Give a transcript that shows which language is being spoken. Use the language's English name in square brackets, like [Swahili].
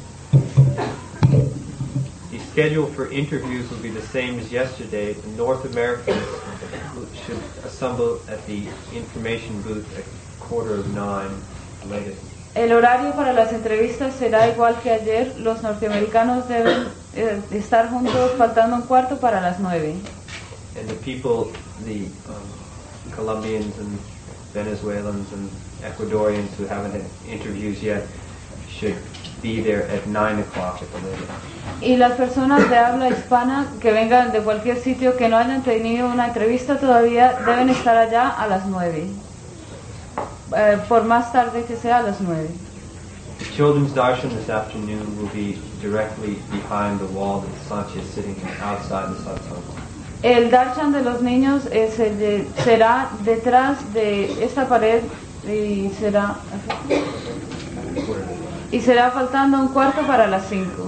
[English] The schedule for interviews will be the same as yesterday. The North Americans should assemble at the information booth at 9:15 latest. [Spanish] El horario para las entrevistas será igual que ayer. Los norteamericanos deben estar juntos faltando un cuarto para las 9. [English] And the people, the Colombians and Venezuelans and Ecuadorians who haven't had interviews yet should be there at 9:00 at the latest. [Spanish] Y las personas de habla hispana que vengan de cualquier sitio que no hayan tenido una entrevista todavía deben estar allá a las 9. Por más tarde que sea a las 9. [English] The children's darshan this afternoon will be directly behind the wall that Sanchez is sitting outside the satsang. [Spanish] El darshan de los niños es el de, será detrás de esta pared y será faltando un cuarto para las 5.